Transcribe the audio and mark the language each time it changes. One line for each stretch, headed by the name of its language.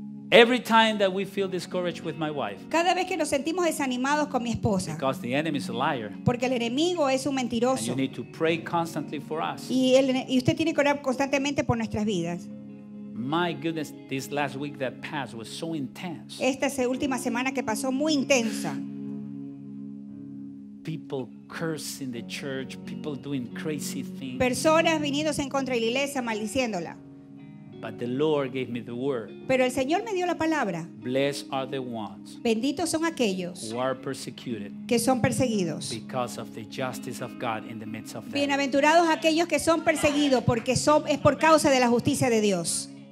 English: Every time that we feel discouraged with my wife,
Spanish: cada vez que nos sentimos desanimados con mi esposa,
English: because the enemy is a liar,
Spanish: porque el enemigo es un mentiroso,
English: and you need to pray constantly for us.
Spanish: Y usted tiene que orar constantemente por nuestras vidas.
English: My goodness, this last week that passed was so intense.
Spanish: Esta última semana que pasó muy intensa.
English: People cursing the church, people doing crazy things.
Spanish: Personas viniéndose en contra de la iglesia maldiciéndola.
English: But the Lord gave me the word.
Spanish: Pero el Señor me dio la palabra.
English: Blessed are the ones.
Spanish: Benditos son aquellos.
English: Who are persecuted.
Spanish: Que son perseguidos.
English: Because of the justice of God in the midst of them.
Spanish: Bienaventurados aquellos que son perseguidos porque son es por causa de la justicia de Dios.